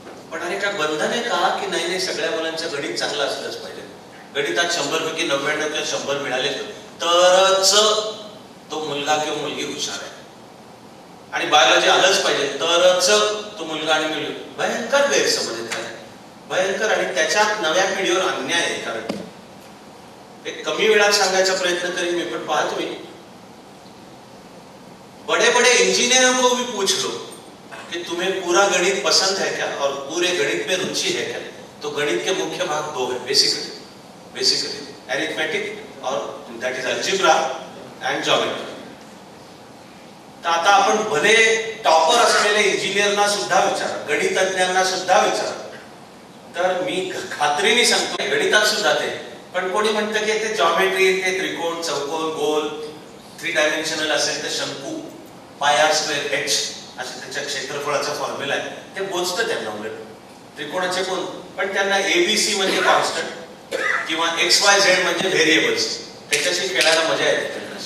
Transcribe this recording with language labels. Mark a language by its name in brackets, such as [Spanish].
[Marathi] पण अरे काय बंधन आहे का की नाही सगळ्या मुलांचं गणित चांगलं असलंच पाहिजे, गणितात 100 पैकी 99 100 मिळाले तरच तो मुलगा किंवा मुलगी हुशार आहे, आणि बायोलॉजी आलंच पाहिजे तरच तो मुलगा आणि मुलगी। भयंकर गैरसमज आहे, भयंकर, आणि त्याच्यात नव्या पिढीवर अन्याय आहे। कारण एक कमी वेळात सांगायचा प्रयत्न करीन मी, पण पाहतो मी [Hindi] बडे बडे इंजिनियर को भी पूछ लो कि तुम्हें पूरा गणित पसंद है क्या और पूरे गणित में रुचि है क्या, तो गणित के मुख्य भाग दो है बेसिकली, बेसिकली एरिथमेटिक और that is algebra and geometry. [Marathi] आता आपण भले टॉपर असलेले इंजिनियरना सुद्धा विचार, गणितज्ञांना सुद्धा विचार, तर मी खात्रीने सांगतो गणितात सुद्धा ते, पण कोणी म्हणतं की ते ज्योमेट्री ते त्रिकोण चौकोन गोल थ्री डायमेन्शनल असेल तर शंकू पाय आर स्क्वेअर एच असे त्याच्या क्षेत्रफळाचा फॉर्म्युला आहे, ते मोजतं त्यांना उलट त्रिकोणाचे कोण, पण त्यांना एबीसी म्हणजे कॉन्स्टंट किंवा एक्स वाय झेड म्हणजे व्हेरिएबल्स, त्याच्याशी खेळायला मजा येते।